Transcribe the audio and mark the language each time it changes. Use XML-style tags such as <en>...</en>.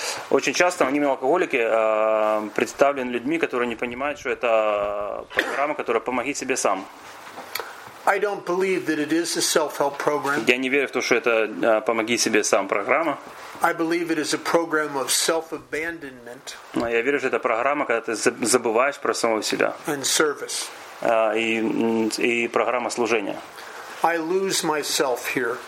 <ru>Очень часто анонимные алкоголики представлены людьми, которые не понимают, что это программа, которая помоги себе сам.</ru> <en>I don't believe that it is a self-help program.</en> <ru>Я не верю в то, что это помоги себе сам программа.</ru> <en>I believe it is a program of self-abandonment.</en> <ru>Но я верю, что это программа, когда ты забываешь про самого себя.</ru> <en>And service.</en> <ru>И программа служения.</ru> <en>I lose myself here.</en>